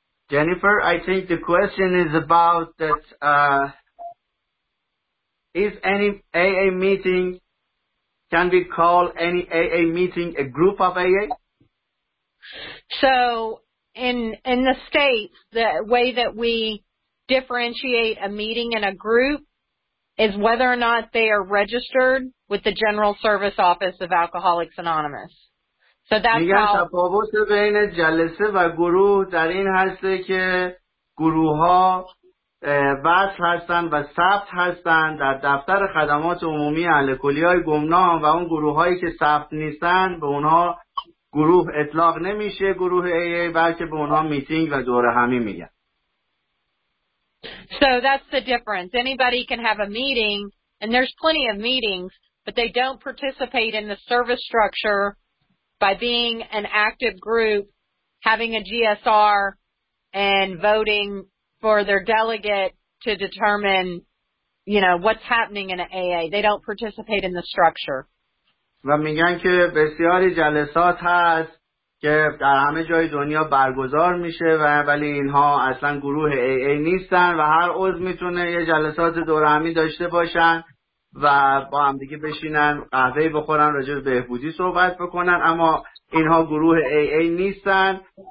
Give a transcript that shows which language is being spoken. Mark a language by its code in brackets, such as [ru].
[en] Jennifer, I think the question is about that, is any AA meeting, can we call any AA meeting a group of AA? So, in the States, the way that we differentiate a meeting and a group is whether or not they are registered with the General Service Office of Alcoholics Anonymous. So that's [fa] میگن تفاوت بین جلسه و گروه در این هست که گروه ها وصل هستن و ثبت هستن در دفتر خدمات عمومی اهل کلیه‌های گمنام، و اون گروه هایی که ثبت نیستن به اونها گروه اطلاق نمیشه، گروه AA، بلکه به اونها میتینگ و دوره همی میگن. [en] So that's the difference. Anybody can have a meeting, and there's plenty of meetings, but they don't participate in the service structure by being an active group, having a GSR, and voting for their delegate to determine, you know, what's happening in an AA. They don't participate in the structure. [fa] و میگن که بسیاری جلسات هست که در همه جای دنیا برگزار میشه، و ولی اینها اصلا گروه AA نیستن و هر عضو میتونه یه جلسات دورهمی داشته باشن و با همدیگه بشینن قهوه بخورن راجع به بهبودی صحبت بکنن، اما اینها گروه AA نیستن،